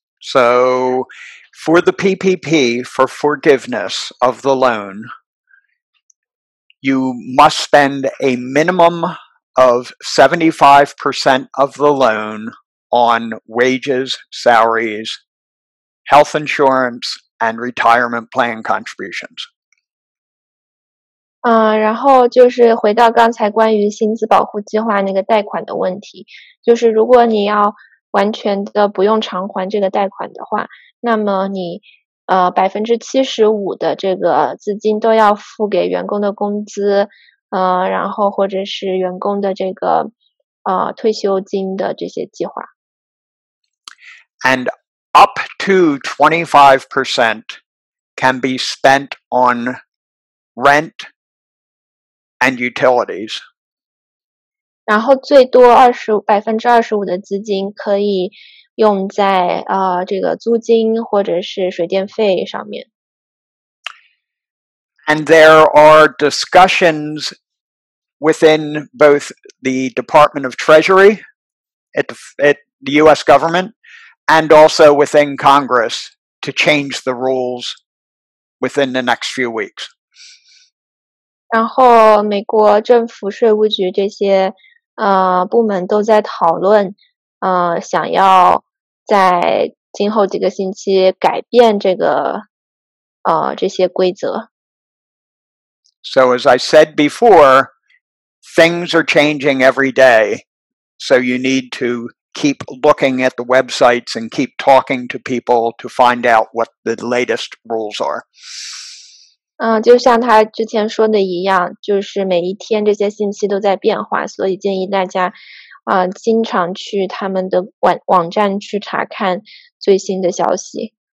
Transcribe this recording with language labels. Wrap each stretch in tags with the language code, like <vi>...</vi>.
<en>So for the PPP, for forgiveness of the loan, you must spend a minimum of 75% of the loan on wages, salaries, health insurance, and retirement plan contributions.</en> <zh>然后就是回到刚才关于薪资保护计划那个贷款的问题，就是如果你要完全的不用偿还这个贷款的话，那么你75%的这个资金都要付给员工的工资，然后或者是员工的这个退休金的这些计划。</zh> <en>And up to 25% can be spent on rent. And utilities.</en> <zh>然后最多25%的资金可以用在这个租金或者是水电费上面。</zh> <en>And there are discussions within both the Department of Treasury at the U.S. government and also within Congress to change the rules within the next few weeks.</en> <zh>然后美国政府税务局这些部门都在讨论想要在今后几个星期改变这个这些规则。</zh> <en>So as I said before, things are changing every day. So you need to keep looking at the websites and keep talking to people to find out what the latest rules are.</en> <zh>就像他之前说的一样，就是每一天这些信息都在变化，所以建议大家经常去他们的网站去查看最新的消息。</zh>